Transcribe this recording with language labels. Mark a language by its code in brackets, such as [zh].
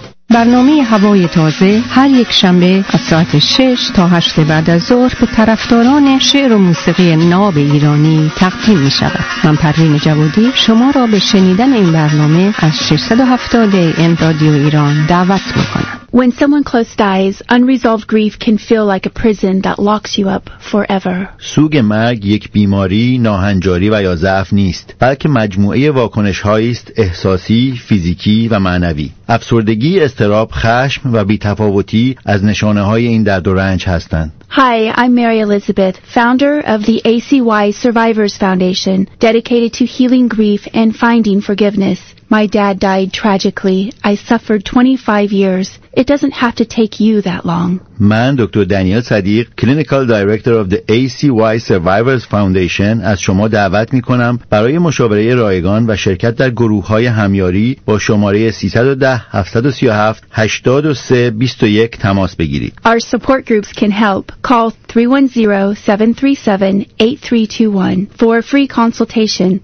[fa] برنامه هوای تازه هر یک شنبه از ساعت 6 تا 8 بعد از ظهر به طرفداران شعر و موسیقی ناب ایرانی تقدیم می شود. من پروین جوادی شما را به شنیدن این برنامه از 670 AM رادیو ایران دعوت می کنم. [en] When someone close dies, unresolved grief can feel like a prison that locks you up forever. [fa] سوگ مرگ یک بیماری، ناهنجاری و یا ضعف نیست، بلکه مجموعه واکنش‌هایی است احساسی، فیزیکی و معنوی. افسردگی، اضطراب، خشم و بی‌تفاوتی از نشانه‌های این درد و رنج هستند. [en] Hi, I'm Mary Elizabeth, founder of the ACY Survivors Foundation, dedicated to healing grief and finding forgiveness. My dad died tragically. I suffered 25 years. It doesn't have to take you that long. [fa] من دکتر دانیال صدیق، کلینیکال دایرکتور اف دی ACY سروایورز فاندیشن، از شما دعوت می‌کنم برای مشاوره رایگان و شرکت در گروه‌های همیاری با شماره 310 737 8321 تماس بگیرید. [en] Our support groups can help. Call 310-737-8321 for a free consultation.